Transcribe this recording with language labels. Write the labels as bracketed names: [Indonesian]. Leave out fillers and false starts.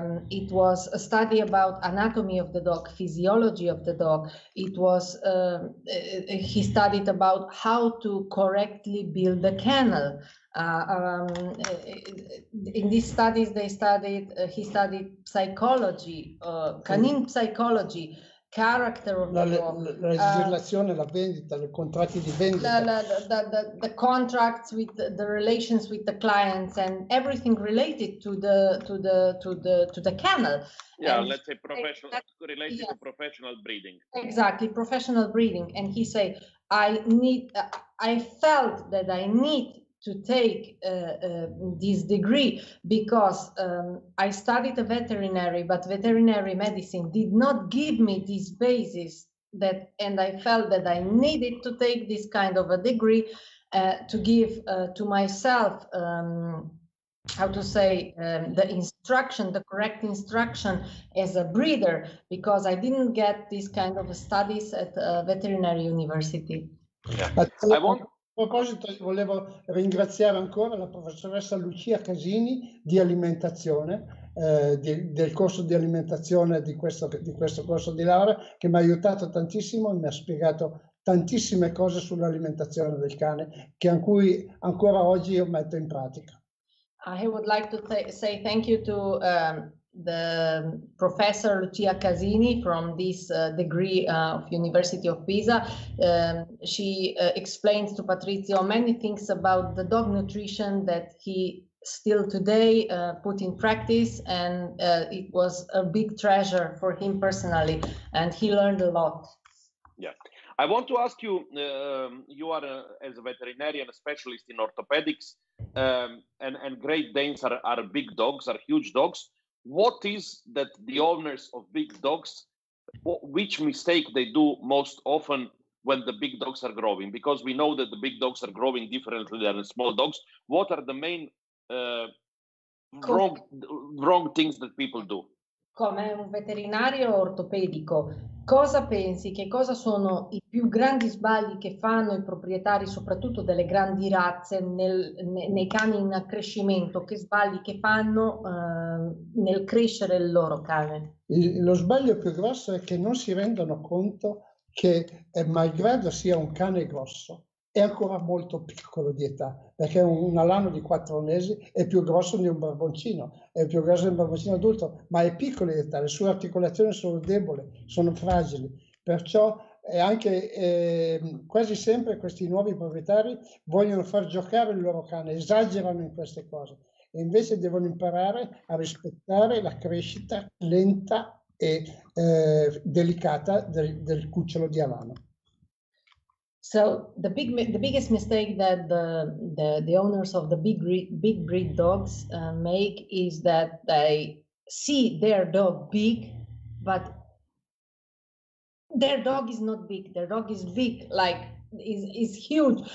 [English] It was a study about anatomy of the dog, physiology of the dog. It was he studied about how to correctly build a kennel. In these studies, he studied psychology, canine psychology, character of [Italian] la legislazione, la vendita, i contratti di vendita, [English] the contracts with the relations with the clients and everything related to the kennel. Yeah, and let's say professional related to professional breeding. Exactly, professional breeding. And he say, I felt that I need to take this degree because I studied a veterinary, but veterinary medicine did not give me this basis that, and I felt that I needed to take this kind of a degree to give to myself, the instruction, the correct instruction as a breeder, because I didn't get this kind of studies at a veterinary university. Yeah. [Italian] A proposito, volevo ringraziare ancora la professoressa Lucia Casini di alimentazione, del corso di alimentazione di questo corso di laurea, che mi ha aiutato tantissimo e mi ha spiegato tantissime cose sull'alimentazione del cane, che in cui ancora oggi io metto in pratica. [English] I would like to say thank you to the professor Lucia Casini from this degree of University of Pisa. She explains to Patrizio many things about the dog nutrition that he still today put in practice, and it was a big treasure for him personally, and he learned a lot. Yeah, I want to ask you, you are as a veterinarian, a specialist in orthopedics, and Great Danes are big dogs, are huge dogs. What is that the owners of big dogs, which mistake they do most often when the big dogs are growing? Because we know that the big dogs are growing differently than the small dogs. What are the main wrong things that people do? [Italian] Come un veterinario ortopedico, cosa pensi, che cosa sono i più grandi sbagli che fanno i proprietari, soprattutto delle grandi razze, nei cani in accrescimento, che sbagli che fanno nel crescere il loro cane? Lo sbaglio più grosso è che non si rendono conto che, malgrado sia un cane grosso, è ancora molto piccolo di età, perché un alano di 4 mesi è più grosso di un barboncino, è più grosso di un barboncino adulto, ma è piccolo di età, le sue articolazioni sono deboli, sono fragili, perciò è anche quasi sempre questi nuovi proprietari vogliono far giocare il loro cane, esagerano in queste cose, e invece devono imparare a rispettare la crescita lenta e delicata del cucciolo di alano. [English] So the biggest mistake that the owners of the big breed dogs make is that they see their dog big, but their dog is not big. Their dog is big, like is huge.